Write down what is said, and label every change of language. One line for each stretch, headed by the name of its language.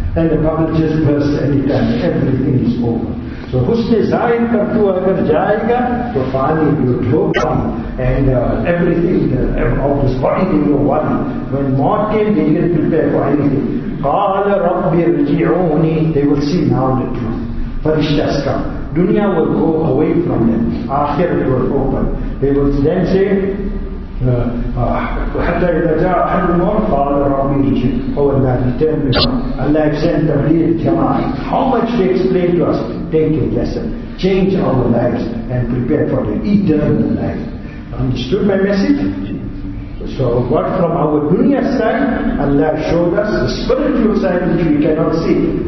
English: And the bubble just bursts anytime. Everything is over. So
Urdu: husne zahir ka tu agar jayega, to pani
English: will flow down. And everything of this body will go one. When mort came, they didn't prepare for anything.
Arabic: Qala rabbi rji'uni.
English: They will see now the truth. Farishtas come. Dunya will go away from them. Akhir will open. They will then say,
Arabic: حَتَّى إِذَا جَاءَ أَحَدُهُمْ قَالَ رَبِّ ارْجِعُونِ.
English: Oh Allah, tell me, Allah has sent Tabligh Jamaat. How much they explain to us? Take a lesson. Change our lives and prepare for the eternal life. Understood my message? So what from our dunya side, Allah showed us the spiritual side which we cannot see.